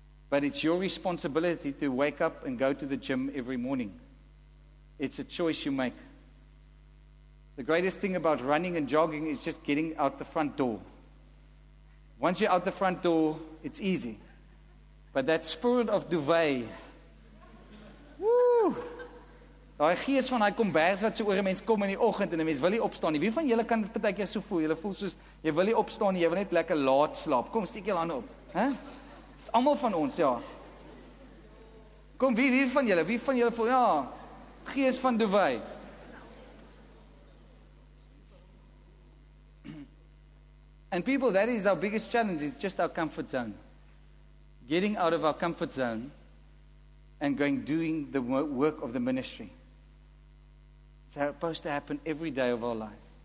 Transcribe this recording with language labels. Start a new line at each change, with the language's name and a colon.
English: But it's your responsibility to wake up and go to the gym every morning. It's a choice you make. The greatest thing about running and jogging is just getting out the front door. Once you're out the front door, it's easy. But that spirit of duvet, woo!
Afrikaans: Daai gees van daai kombers wat so oor 'n mens kom in die oggend en 'n mens wil nie opstaan nie. Wie van julle kan partykeer so voel? Julle voel soos jy wil nie opstaan nie, jy wil net lekker laat slaap. Kom, steek jou hande op, hè? Dis almal van ons, ja. Kom, wie van julle? Wie van julle voel, ja, gees van duvet?
English: And people, that is our biggest challenge, is just our comfort zone. Getting out of our comfort zone and going doing the work of the ministry. It's supposed to happen every day of our lives.